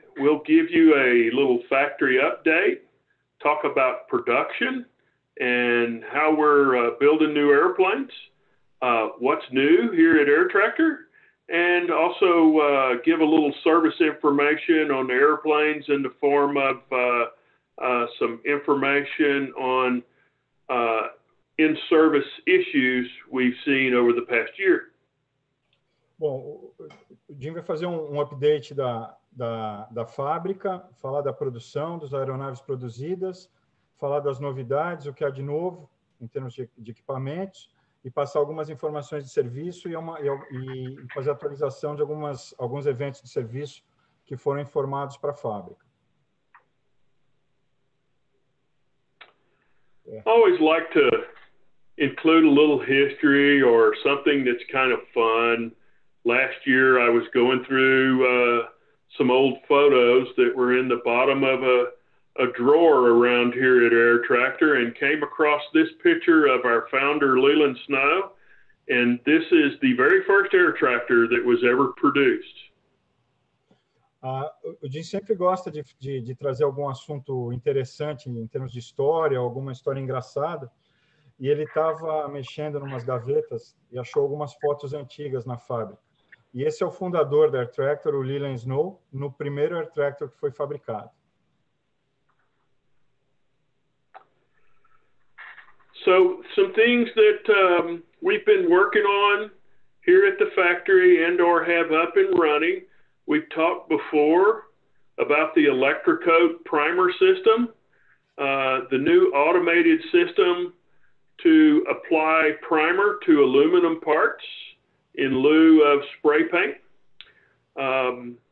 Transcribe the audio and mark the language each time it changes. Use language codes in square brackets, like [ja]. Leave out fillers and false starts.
[en] We'll give you a little factory update, talk about production and how we're building new airplanes, what's new here at AirTracker, and also give a little service information on the airplanes in the form of some information on in-service issues we've seen over the past year. [pt] Bom, o Jim vai fazer um update da fábrica, falar da produção, das aeronaves produzidas, falar das novidades, o que há de novo em termos de equipamentos, e passar algumas informações de serviço e fazer atualização de alguns eventos de serviço que foram informados para a fábrica. [en] I always like to include a little history or something that's kind of fun. Last year, I was going through some old photos that were in the bottom of a drawer around here at AirTracker and came across this picture of our founder, Leland Snow. And this is the very first AirTracker that was ever produced. [pt] O Jim sempre gosta de trazer algum assunto interessante em termos de história, alguma história engraçada. E ele estava mexendo em umas gavetas e achou algumas fotos antigas na fábrica. E esse é o fundador da AirTracker, o Leland Snow, no primeiro AirTracker que foi fabricado. [en] So, some things that we've been working on here at the factory and or have up and running. We've talked before about the Electrocoat primer system, the new automated system to apply primer to aluminum parts in lieu of spray paint.